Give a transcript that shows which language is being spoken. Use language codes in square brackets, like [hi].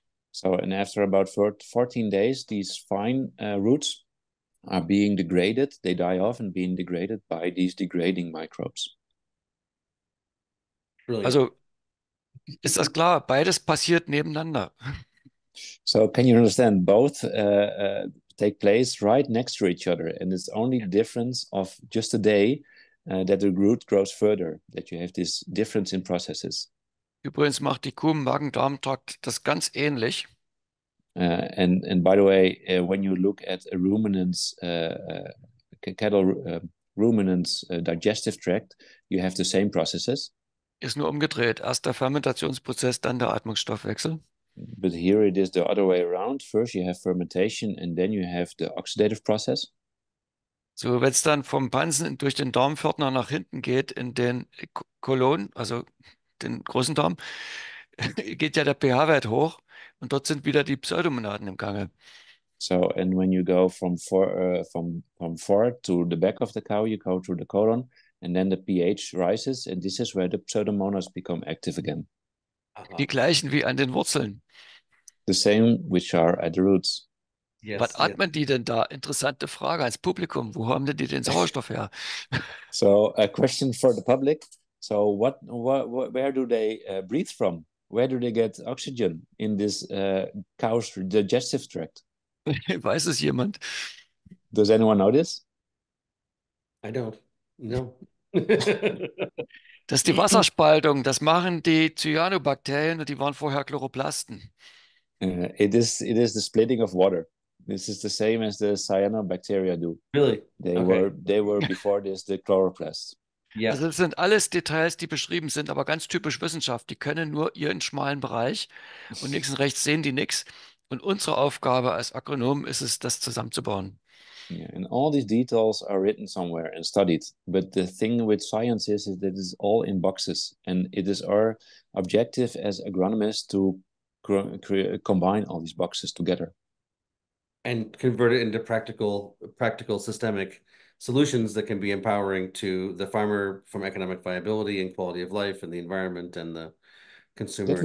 [en] So, and after about 14 days, these fine roots are being degraded, they die off and being degraded by these degrading microbes. Brilliant. [de] Also, ist das klar? Beides passiert nebeneinander. [en] So, can you understand? Both take place right next to each other and it's only the difference of just a day that the root grows further, that you have this difference in processes. [de] Übrigens macht die Kuh im Magen-Darm-Trakt das ganz ähnlich. [en] And by the way, when you look at a ruminant's cattle ruminant's digestive tract, you have the same processes. [de] Ist nur umgedreht. Erst der Fermentationsprozess, dann der Atmungsstoffwechsel. [en] But here it is the other way around. First you have fermentation and then you have the oxidative process. [de] So, wenn es dann vom Pansen durch den Darmpförtner nach hinten geht, in den Kolon, also den großen Darm, geht ja der pH-Wert hoch und dort sind wieder die Pseudomonaden im Gange. [en] So, and when you go from fore to the back of the cow, you go through the colon and then the pH rises and this is where the Pseudomonas become active again. [de] Die gleichen wie an den Wurzeln. [en] The same which are at the roots. [de] Yes, was atmen yes. die denn da? Interessante Frage ans Publikum. Wo haben denn die den Sauerstoff her? [en] So, a question for the public. So, where do they breathe from? Where do they get oxygen in this cow's digestive tract? [de] Weiß es jemand? [en] Does anyone know this? I don't. No. [de] Das ist die Wasserspaltung. Das machen die Cyanobakterien und die waren vorher Chloroplasten. [en] It is the splitting of water. This is the same as the cyanobacteria do. Really? They were before this the chloroplasts. Yeah. [de] Also das sind alles Details, die beschrieben sind, aber ganz typisch Wissenschaft. Die können nur ihren schmalen Bereich und links und rechts sehen die nichts. Und unsere Aufgabe als Agronomen ist es, das zusammenzubauen. [en] Yeah, and all these details are written somewhere and studied. But the thing with science is that it's all in boxes. And it is our objective as agronomists to combine all these boxes together. And convert it into practical systemic solutions that can be empowering to the farmer from economic viability and quality of life and the environment and the consumer.